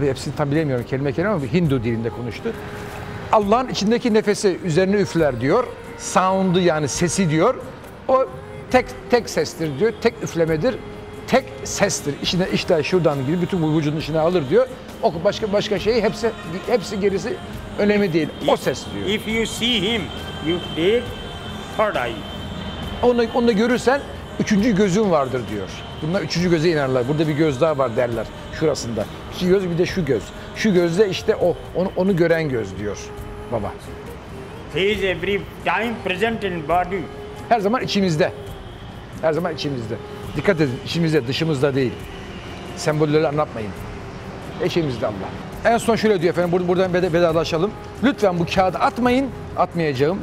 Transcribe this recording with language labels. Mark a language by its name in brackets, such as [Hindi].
[Turkish] Hepsini tam bilemiyorum kelime kelime ama Hindu dilinde konuştu. Allah'ın içindeki nefesi üzerine üfler diyor. Sound'u yani sesi diyor. O tek sestir diyor. Tek üflemedir. Tek sestir. İşine işte şuradan gibi bütün bu vücudun içine alır diyor. O başka şey hepsi gerisi önemli değil. O ses diyor. [English] If you see him, you did third eye. [Turkish] Onu görürsen üçüncü gözün vardır diyor. Bunlar üçüncü göze inerler. Burada bir göz daha var derler. Şurasında. Şu göz bir de şu göz. Şu gözde işte onu gören göz diyor baba. [English] He is every time present in body. [Turkish] Her zaman içimizde. Her zaman içimizde. Dikkat edin, içimizde, dışımızda değil. Sembolleri anlatmayın. İçimizde Allah. En son şöyle diyor efendim, buradan vedalaşalım. Lütfen bu kağıdı atmayın. Atmayacağım.